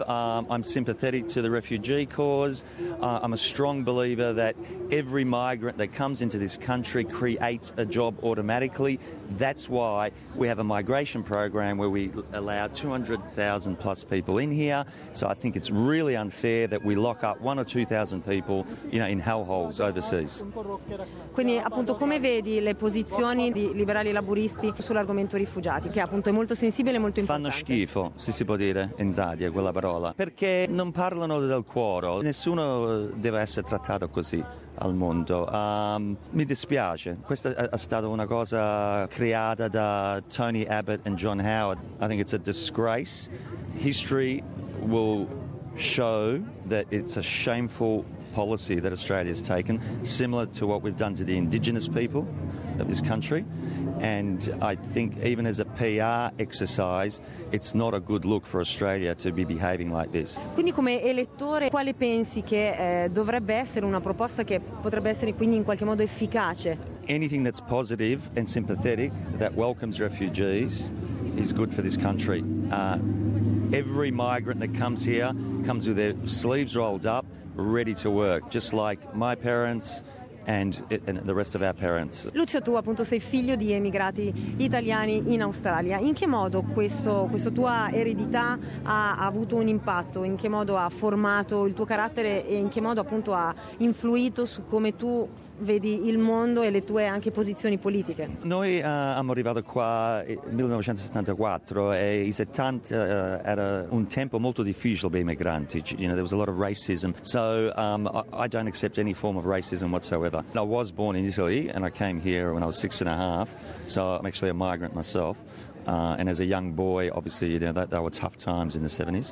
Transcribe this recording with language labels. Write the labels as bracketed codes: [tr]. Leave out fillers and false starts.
[en] I'm sympathetic to the refugee cause. I'm a strong believer that every migrant that comes into this country creates a job automatically. That's why we have a migration program where we allow 200,000 plus people in here. So I think it's really unfair that we lock up 1,000 or 2,000 people, you know, in hellholes overseas. [it] Quindi appunto come vedi le posizioni di liberali laburisti sull'argomento rifugiati, che appunto è molto sensibile e molto importante. Fanno schifo, se si può dire in Italia quella parola, perché non parlano del cuore. Nessuno deve essere trattato così al mondo. Mi dispiace, questa è stata una cosa creata da Tony Abbott and John Howard. [en] I think it's a disgrace. History will show that it's a shameful policy that Australia has taken, similar to what we've done to the indigenous people of this country. And I think even as a PR exercise, it's not a good look for Australia to be behaving like this. [it] Quindi come elettore, quale pensi che dovrebbe essere una proposta che potrebbe essere quindi in qualche modo efficace? [en] Anything that's positive and sympathetic, that welcomes refugees, is good for this country. Every migrant that comes here comes with their sleeves rolled up, ready to work, just like my parents and the rest of our parents. [it] Lucio, tu appunto sei figlio di emigrati italiani in Australia. In che modo questa tua eredità ha avuto un impatto? In che modo ha formato il tuo carattere e in che modo appunto ha influito su come tu vedi il mondo e le tue anche posizioni politiche? Noi siamo arrivati qua nel 1974 e i 70 era un tempo molto difficile per i migranti. [en] You know, there was a lot of racism. So I don't accept any form of racism whatsoever. I was born in Italy and I came here when I was 6 and a half. So I'm actually a migrant myself. And as a young boy, obviously, you know, that were tough times in the 70s.